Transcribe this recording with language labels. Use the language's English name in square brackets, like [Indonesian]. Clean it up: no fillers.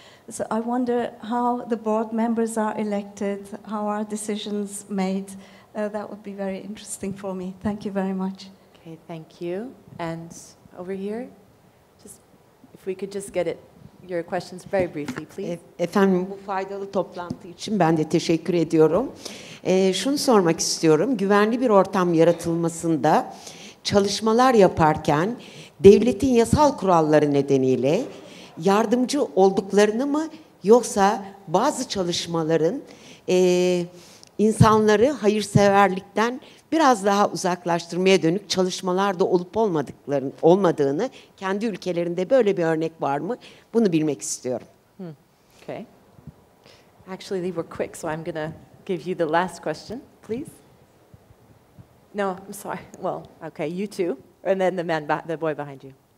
[English] So I wonder how the board members are elected, how are decisions made. That would be very interesting for me. Thank you very much. Okay, thank you. And over here, just if we could just get it, your questions very briefly, please. [Turkish] Efendim, bu faydalı toplantı için ben de teşekkür ediyorum. Şunu sormak istiyorum. Güvenli bir ortam yaratılmasında çalışmalar yaparken devletin yasal kuralları nedeniyle yardımcı olduklarını mı, yoksa bazı çalışmaların insanları hayırseverlikten biraz daha uzaklaştırmaya dönük çalışmalarda olup olmadığını, kendi ülkelerinde böyle bir örnek var mı, bunu bilmek istiyorum. [English] Hmm. Okay. Actually, they were quick, so I'm gonna give you the last question, please. No, I'm sorry. Well, okay, you too, and then the boy behind you.